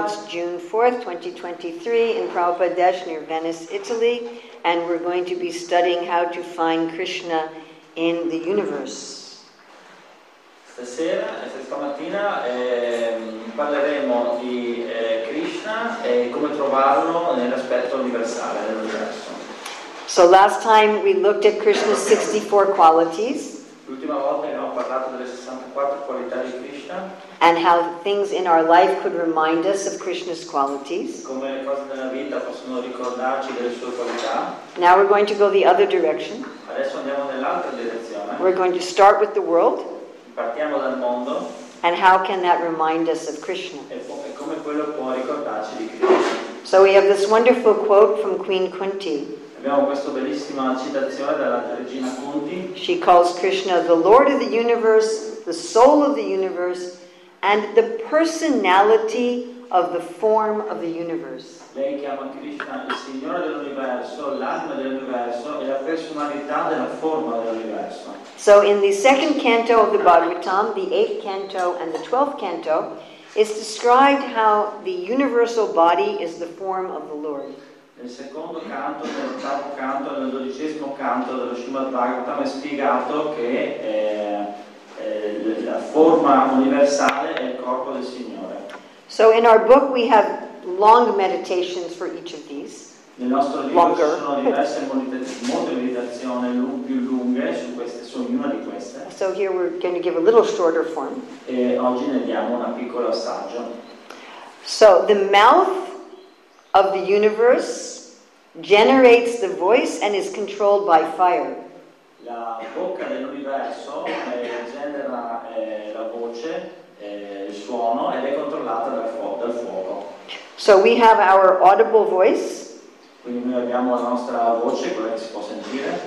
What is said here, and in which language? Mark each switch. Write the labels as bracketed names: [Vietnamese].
[English] So it's June 4th, 2023 in Prabhupada Desh near Venice, Italy, and we're going to be studying how to find Krishna in the universe. [Italian] Stamattina parleremo di Krishna e come trovarlo nell'aspetto universale dell'universo. [English] So last time we looked at Krishna's 64 qualities. [Italian] L'ultima volta abbiamo parlato delle 64 qualità di Krishna. [English] And how things in our life could remind us of Krishna's qualities. [Italian] Come le cose della vita possono ricordarci delle sue qualità. [English] Now we're going to go the other direction. [Italian] Adesso andiamo nell'altra direzione. [English] We're going to start with the world. [Italian] Partiamo dal mondo. [English] And how can that remind us of Krishna? [Italian] E come quello può ricordarci di Krishna? [English] So we have this wonderful quote from Queen Kunti. [Italian] Abbiamo questa bellissima citazione dalla regina Kunti. [English] She calls Krishna the Lord of the universe, the soul of the universe, and the personality of the form of the universe. [Italian] Lei chiama Krishna il Signore dell'universo, l'anima dell'universo e la personalità della forma dell'universo. [English] So in the second canto of the Bhagavatam, the eighth canto and the twelfth canto, is described how the universal body is the form of the Lord. [Italian] Nel secondo canto, nell'ottavo canto, nel dodicesimo canto dello Srimad Bhagavatam è spiegato che la forma universale è il corpo del Signore. [English] So in our book we have long meditations for each of these. [Italian] Nel nostro libro [English] longer. [Italian] Ci sono diverse meditazioni più lunghe su queste, su ognuna di queste. [English] So here we're going to give a little shorter form. [Italian] E oggi ne diamo una piccola assaggio. [English] So the mouth of the universe generates the voice and is controlled by fire. [Italian] La bocca dell'universo genera la voce, il suono, ed è controllata dal fuoco. [English] So we have our audible voice. [Italian] Quindi noi abbiamo la nostra voce, quella che si può sentire.